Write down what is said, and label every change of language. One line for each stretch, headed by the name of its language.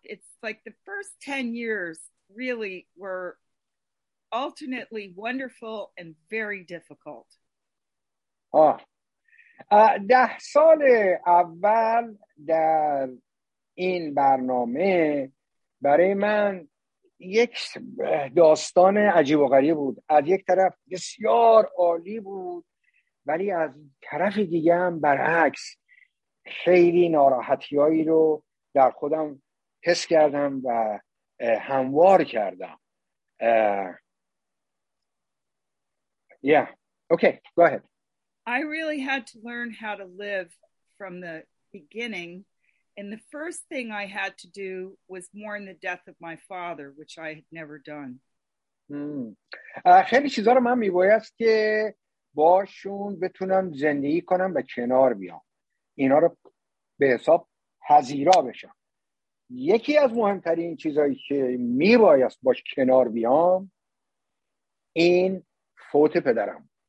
English: It's like the first 10 years really were alternately wonderful and very difficult. Oh.
Persian: 10 سال اول در این برنامه برای من یک داستان عجیب و غریب بود. از یک طرف بسیار عالی بود ولی از طرف دیگه هم برعکس خیلی ناراحتی‌هایی رو در خودم حس کردم و هموار کردم.
English: Yeah. Okay, go ahead. I really had to learn how to live from the beginning, and the first thing I had to do was mourn the death of my father, which I had never done.
Persian: خیلی چیزا رو من میبایست که باشون بتونم زندگی کنم و کنار بیام، اینا رو به حساب پذیرا بشم. یکی از مهمترین چیزایی که میبایست باش کنار بیام این فوت پدرم.